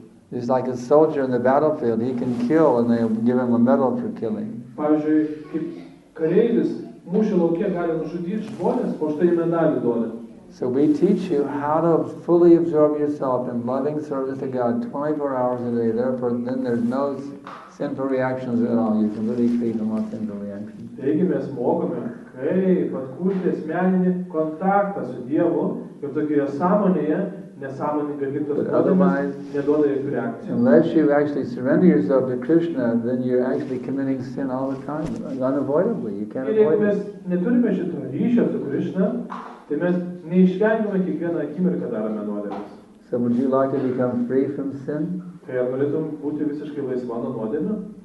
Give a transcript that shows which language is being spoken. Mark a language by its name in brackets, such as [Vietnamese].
[English] It's like a soldier in the battlefield. He can kill and they give him a medal for killing. [Lithuanian] Pavyzdžiui, kaip kareivis mūšio lauke gali nužudyti žmones, po štai medalį duoda. [English] So we teach you how to fully absorb yourself in loving service to God 24 hours a day. Therefore, then there's no sinful reactions at all. You can really free from all sinful reactions. [Lithuanian] Taigi mes mokome, kaip atkurti asmeninį kontaktą su Dievu, kad tokioje sąmonėje [English] unless you actually surrender yourself to Krishna, then you're actually committing sin all the time, unavoidably. You can't avoid it. [Lithuanian] Jeigu mes neturime šito ryšio su Krishna, tai mes neišvengiamai kiekvieną akimirką darome nuodėmes. [English] So would you like to become free from sin? [Lithuanian] Tai ar norėtum būti visiškai laisva nuo nuodėmių?